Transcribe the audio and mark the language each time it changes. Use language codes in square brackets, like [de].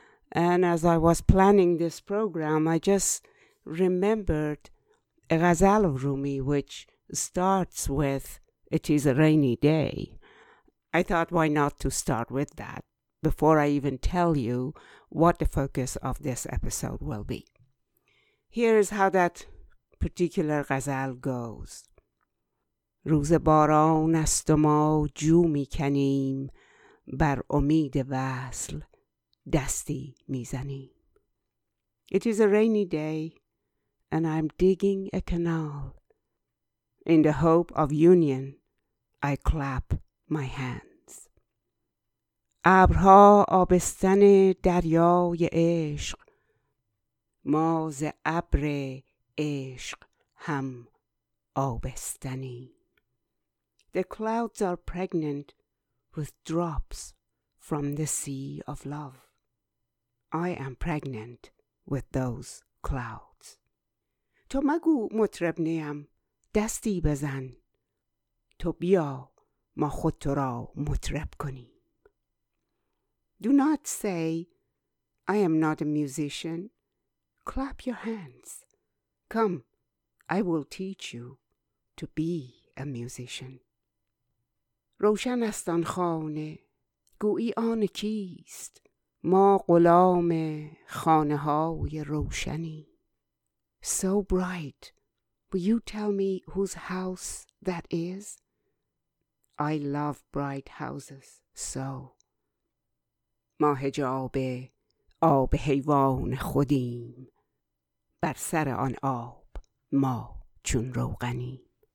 [en] And as I was planning this program, I just remembered a ghazal of Rumi, which starts with, "It is a rainy day." I thought, why not to start with that before I even tell you what the focus of this episode will be. Here is how that particular ghazal goes. [fa] روز باران است و ما جو می کنیم بر امید وصل دستی می زنیم. [en] It is a rainy day and I'm digging a canal. In the hope of union, I clap my hands. [fa] ابرها آبستن دریای عشق ما ز ابر عشق هم آبستنی. [en] The clouds are pregnant with drops from the sea of love. I am pregnant with those clouds. [fa] تو مگو مطرب نیم دستی بزن. تو بیا ما خود تو را مطرب کنی. [en] Do not say, I am not a musician. Clap your hands. Come, I will teach you to be a musician. [fa] روشن است آن خانه گویی آن کیست ما غلام خانه های روشنی. [en] So bright, will you tell me whose house that is? I love bright houses so. [fa] ما حجاب آب حیوان خودیم بر سر آن آب ما چون روغنی.